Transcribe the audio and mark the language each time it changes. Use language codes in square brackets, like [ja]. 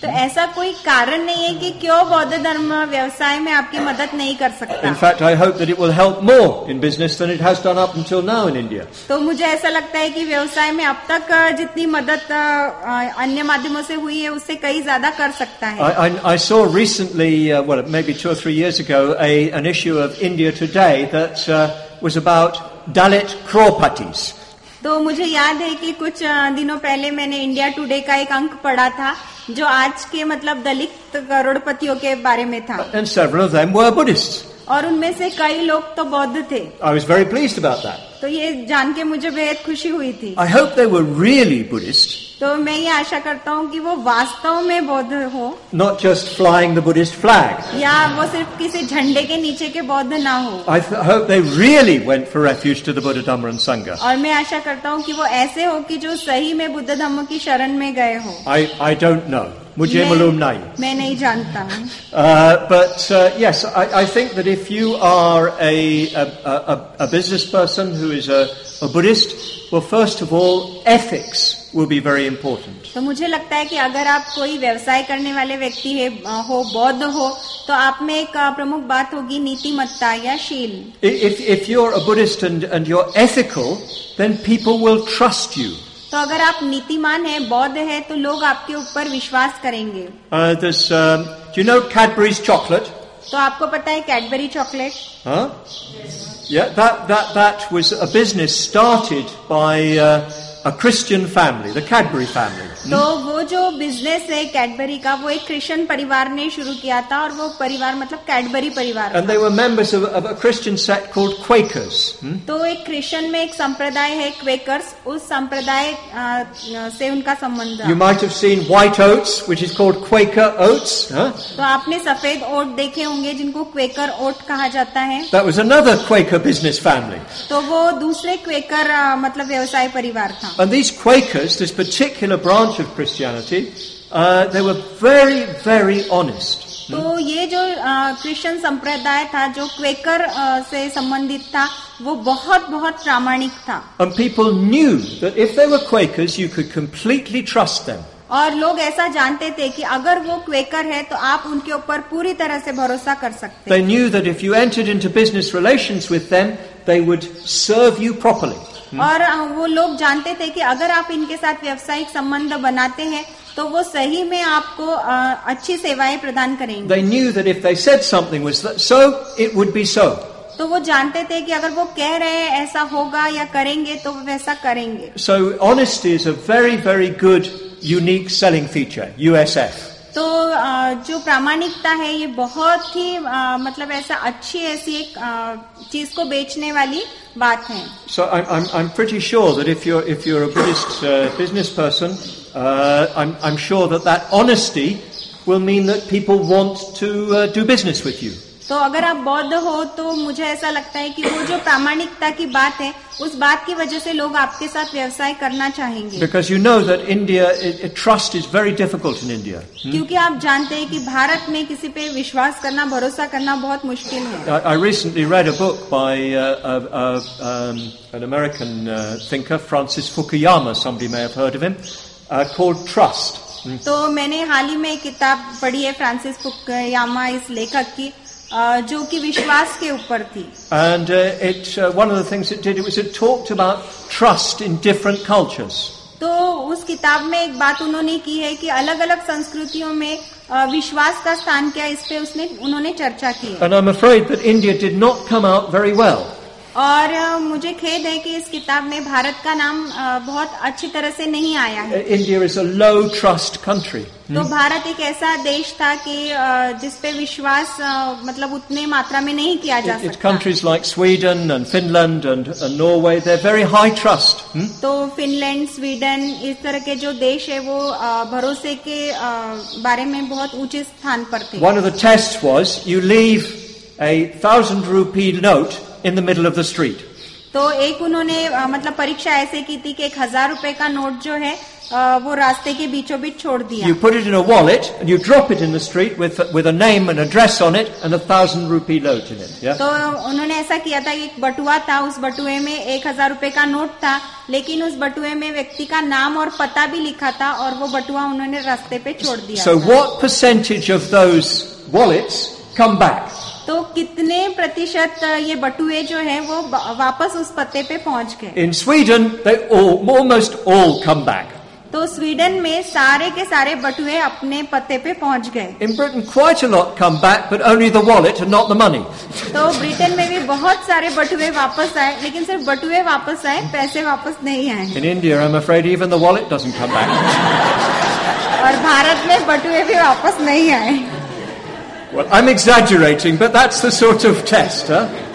[hi] तो ऐसा कोई कारण नहीं है कि क्यों बौद्ध धर्म व्यवसाय में आपकी मदद नहीं कर सकता. [en] In fact, I hope that it will help more in business than it has done up until now in India. [hi] तो मुझे ऐसा लगता है कि व्यवसाय में अब तक जितनी मदद अन्य माध्यमों से हुई है उससे कई ज्यादा कर सकता है. [en] I saw recently, maybe 2 or 3 years ago, an issue of India Today that was about Dalit crore-patties. [hi] तो मुझे याद है कि कुछ दिनों पहले मैंने इंडिया टुडे का एक अंक पढ़ा था जो आज के मतलब दलित करोड़पतियों के बारे में था. [en] And several of them were Buddhists. [hi] और उनमें से कई लोग तो बौद्ध थे. [en] I was very pleased about that. [hi] तो ये जान के मुझे बेहद खुशी हुई थी. [en] I hope they were really Buddhists. [hi] तो मैं ये आशा करता हूँ कि वो वास्तव में बौद्ध हो, [en] not just flying the Buddhist flag, [hi] या वो सिर्फ किसी झंडे के नीचे के बौद्ध ना हो। [en] hope they really went for refuge to the Buddha Dhamma and Sangha, [hi] और मैं आशा करता हूँ कि वो ऐसे हो कि जो सही में बुद्ध धम्म की शरण में गए हो। [en] I don't know, [hi] मुझे मालूम नहीं, मैं नहीं जानता हूँ। [en] But yes, I think that if you are a business person who is a Buddhist, well first of all ethics will be very important. [hi] तो मुझे लगता है कि अगर आप कोई व्यवसाय करने वाले व्यक्ति है हो, बौद्ध हो, तो आप में एक प्रमुख बात होगी नीतिमत्ता या शील। [en] If you're a Buddhist and you're ethical, then people will trust you. [hi] तो अगर आप नीतिमान है, बौद्ध है, तो लोग आपके ऊपर विश्वास करेंगे। [en] Do you know Cadbury's chocolate? [hi] तो आपको पता है Cadbury chocolate? [en] Yeah, that was a business started by a Christian family, the Cadbury family. [hi] तो वो जो बिजनेस है कैडबरी का, वो एक क्रिश्चियन परिवार ने शुरू किया था, और वो परिवार मतलब कैडबरी परिवार। [en] And they were members of a Christian sect called Quakers. [hi] तो एक क्रिश्चियन में एक संप्रदाय है क्वेकर्स, उस संप्रदाय से उनका संबंध। [en] You might have seen white oats, which is called Quaker oats. [hi] तो आपने सफेद ओट देखे होंगे जिनको क्वेकर ओट कहा जाता है। [en] That was another Quaker business family. [hi] तो वो दूसरे क्वेकर मतलब व्यवसाय परिवार। [en] And these Quakers, this particular branch of Christianity, they were very, very honest. [hi] तो ये जो क्रिश्चियन संप्रदाय था, जो क्वेकर से संबंधित था, वो बहुत बहुत प्रामाणिक था। [en] And people knew that if they were Quakers, you could completely trust them. [hi] और लोग ऐसा जानते थे कि अगर वो क्वेकर है तो आप उनके ऊपर पूरी तरह से भरोसा कर सकते हैं। [en] They knew that if you entered into business relations with them, they would serve you properly. [hi] और वो लोग जानते थे कि अगर आप इनके साथ व्यावसायिक संबंध बनाते हैं तो वो सही में आपको अच्छी सेवाएं प्रदान करेंगे। [en] They knew that if they said something was so, it would be so. [hi] तो वो जानते थे कि अगर वो कह रहे हैं ऐसा होगा या करेंगे तो वैसा करेंगे। [en] So honesty is a very, very good unique selling feature, USF. [hi] तो जो प्रामाणिकता है ये बहुत ही मतलब ऐसा अच्छी ऐसी एक चीज को बेचने वाली बात है। [en] So I'm pretty sure that if you're a Buddhist business person, I'm sure that honesty will mean that people want to do business with you. [hi] तो अगर आप बौद्ध हो तो मुझे ऐसा लगता है कि वो जो प्रामाणिकता की बात है उस बात की वजह से लोग आपके साथ व्यवसाय करना चाहेंगे। [en] Because you know that India, trust is very difficult in India. [hi] क्योंकि आप जानते हैं कि भारत में किसी पे विश्वास करना, भरोसा करना बहुत मुश्किल है। [en] I recently read a book by an American thinker, Francis Fukuyama, somebody may have heard of him, called Trust. [hi] तो मैंने हाल ही में एक किताब पढ़ी है फ्रांसिस फुकुयामा इस लेखक की, जो कि विश्वास के ऊपर थी। [en] And it one of the things it did, it was it talked about trust in different cultures. [hi] तो उस किताब में एक बात उन्होंने की है कि अलग-अलग संस्कृतियों में विश्वास का स्थान क्या, इस पे उसने उन्होंने चर्चा की। [en] And I'm afraid that India did not come out very well. [hi] और मुझे खेद है कि इस किताब में भारत का नाम बहुत अच्छी तरह से नहीं आया है। [en] India is a low trust country. [hi] तो भारत एक ऐसा देश था कि जिसपे विश्वास मतलब उतने मात्रा में नहीं किया जा सकता। [en] Countries like Sweden and Finland and Norway, they're very high trust. [hi] तो फिनलैंड, स्वीडन, इस तरह के जो देश है वो भरोसे के बारे में बहुत ऊंचे स्थान पर थे। [en] One of the tests was you leave a 1,000 rupee note in the middle of the street. [hi] तो एक उन्होंने मतलब परीक्षा ऐसे की थी कि 1,000 रुपए का नोट जो है वो रास्ते के बीचों बीच छोड़ दिया। [en] You put it in a wallet and you drop it in the street with a name and address on it and a 1,000 rupee note in it. Yeah? [hi] तो उन्होंने ऐसा किया था कि एक बटुआ था, उस बटुए में 1,000 रुपए का नोट था, लेकिन उस बटुए में व्यक्ति का नाम और पता भी लिखा था और वो बटुआ उन्होंने रास्ते पे छोड़ दिया। [en] So what percentage of those wallets come back? [hi] तो कितने प्रतिशत ये बटुए जो हैं वो वापस उस पत्ते पे पहुंच गए? [en] In Sweden, they almost all come back. [hi] तो स्वीडन में सारे के सारे बटुए अपने पत्ते पे पहुंच गए। [en] In Britain, quite a lot come back, but only the wallet and not the money. [hi] तो ब्रिटेन में भी बहुत सारे बटुए वापस आए, लेकिन सिर्फ बटुए वापस आए, पैसे वापस नहीं आए। [en] In India, I'm afraid even the wallet doesn't come back. [hi] और भारत में बटुए भी वापस नहीं आए। [en] Well, I'm exaggerating, but that's the sort of test, huh?